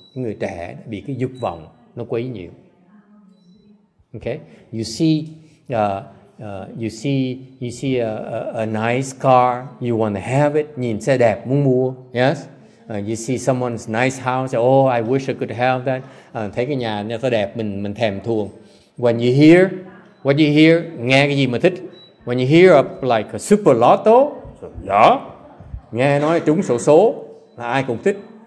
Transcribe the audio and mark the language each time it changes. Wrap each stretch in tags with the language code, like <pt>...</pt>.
<vi>Người trẻ bị cái dục vọng nó quấy nhiễu.</vi> <en>Okay, you see a nice car, you want to have it,</en> <vi>nhìn xe đẹp muốn mua,</vi> <en>yes. You see someone's nice house, oh, I wish I could have that.</en> <vi>Thấy cái nhà nó đẹp, mình thèm thuồng.</vi> <en>When you hear, what you hear,</en> <vi>nghe cái gì mà thích.</vi> <en>When you hear of like a super lotto, so, yeah.</en> <vi>Nghe nói trúng sổ số là ai cũng thích.</vi>